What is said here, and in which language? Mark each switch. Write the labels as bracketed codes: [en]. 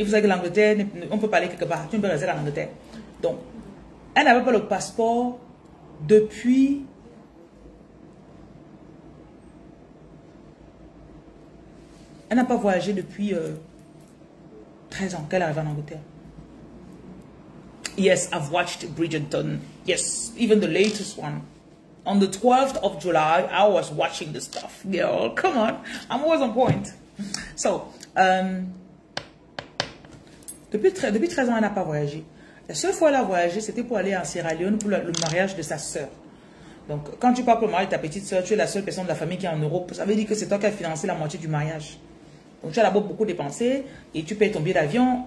[fr] Et vous savez que l'Angleterre, on peut parler quelque part. Tu ne peux rester en Angleterre. Donc, elle n'avait pas le passeport depuis... Elle n'a pas voyagé depuis 13 ans qu'elle arrive en Angleterre. [en] Yes, I've watched Bridgerton. Yes, even the latest one. On the 12th of July, I was watching the stuff. Girl, come on. I'm always on point. [fr] So, depuis 13 ans, elle n'a pas voyagé. La seule fois qu'elle a voyagé, c'était pour aller en Sierra Leone pour le mariage de sa sœur. Donc, quand tu pars pour le mariage de ta petite sœur, tu es la seule personne de la famille qui est en Europe. Ça veut dire que c'est toi qui as financé la moitié du mariage. Donc, tu as d'abord beaucoup dépensé et tu payes ton billet d'avion.